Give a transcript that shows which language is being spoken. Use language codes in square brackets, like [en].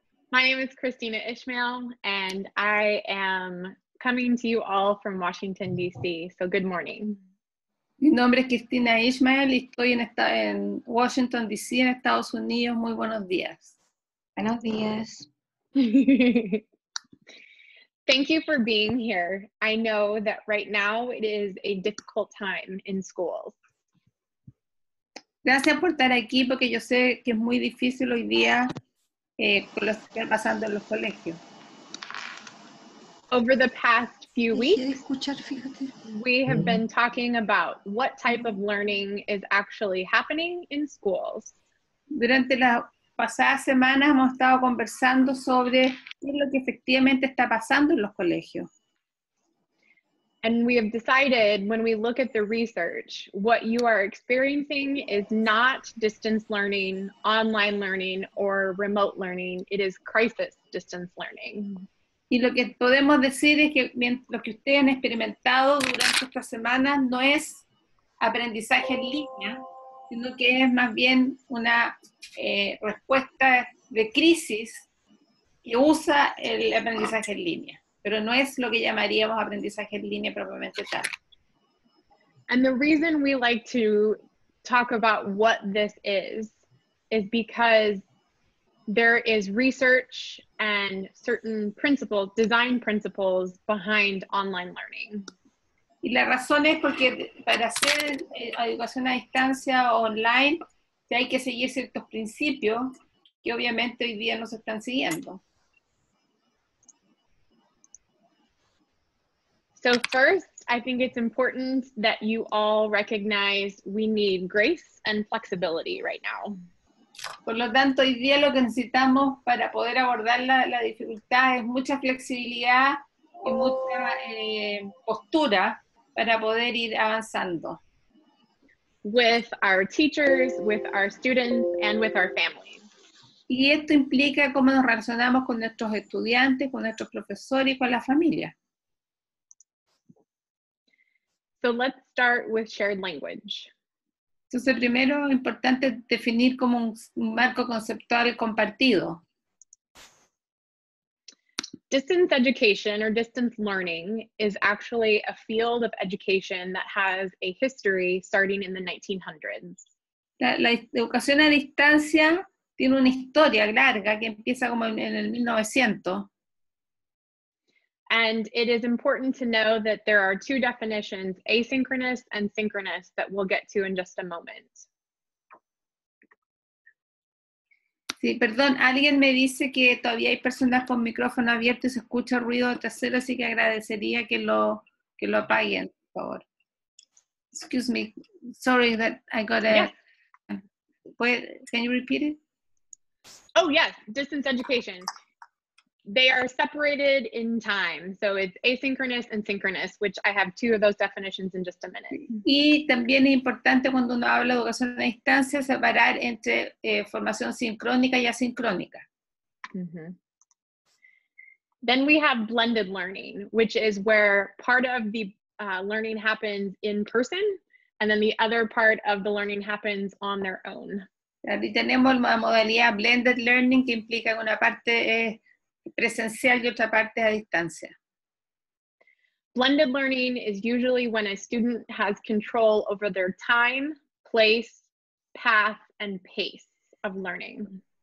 [en] My name is Christina Ishmael, and I am coming to you all from Washington, D.C., so good morning. [es] Mi nombre es Cristina Ishmael y estoy en Washington, D.C., en Estados Unidos. Muy buenos días. Buenos días. [en] Thank you for being here. I know that right now it is a difficult time in schools. [es] Gracias por estar aquí porque yo sé que es muy difícil hoy día con lo que está pasando en los colegios. [en] Over the past few weeks, we have been talking about what type of learning is actually happening in schools. [es] Durante las pasadas semanas hemos estado conversando sobre qué es lo que efectivamente está pasando en los colegios. [en] And we have decided, when we look at the research, what you are experiencing is not distance learning, online learning, or remote learning. It is crisis distance learning. [es] Y lo que podemos decir es que lo que ustedes han experimentado durante esta semana no es aprendizaje en línea, sino que es más bien una respuesta de crisis que usa el aprendizaje en línea, pero no es lo que llamaríamos aprendizaje en línea propiamente tal. [en] And the reason we like to talk about what this is because there is research and certain principles, design principles behind online learning. [es] Y la razón es porque para hacer educación a distancia online hay que seguir ciertos principios que obviamente hoy día no se están siguiendo. [en] So first, I think it's important that you all recognize we need grace and flexibility right now. [es] Por lo tanto, hoy día lo que necesitamos para poder abordar la dificultad es mucha flexibilidad y mucha postura para poder ir avanzando. [en] With our teachers, with our students, and with our families. [es] Y esto implica cómo nos relacionamos con nuestros estudiantes, con nuestros profesores y con la familia. [en] So let's start with shared language. [es] Entonces, primero, es importante definir como un marco conceptual compartido. [en] Distance education or distance learning is actually a field of education that has a history starting in the 1900s. [es] La educación a distancia tiene una historia larga que empieza como en el 1900. [en] And it is important to know that there are two definitions, asynchronous and synchronous, that we'll get to in just a moment. [es] Sí, perdón, alguien me dice que todavía hay personas con micrófono abierto y se escucha ruido de trasero, así que agradecería que lo apaguen, por favor. [en] Excuse me, sorry that I got a... Yeah. Can you repeat it? Oh, yes, distance education. They are separated in time, so it's asynchronous and synchronous, which I have two of those definitions in just a minute. [es] Y también es importante cuando uno habla de educación a distancia separar entre formación sincrónica y asincrónica. [en] Then we have blended learning, which is where part of the learning happens in person, and then the other part of the learning happens on their own. [es] Y tenemos la modalidad blended learning que implica una parte presencial y otra parte a distancia. [en] Blended learning is usually when a student has control over their time, place, path, and pace of learning.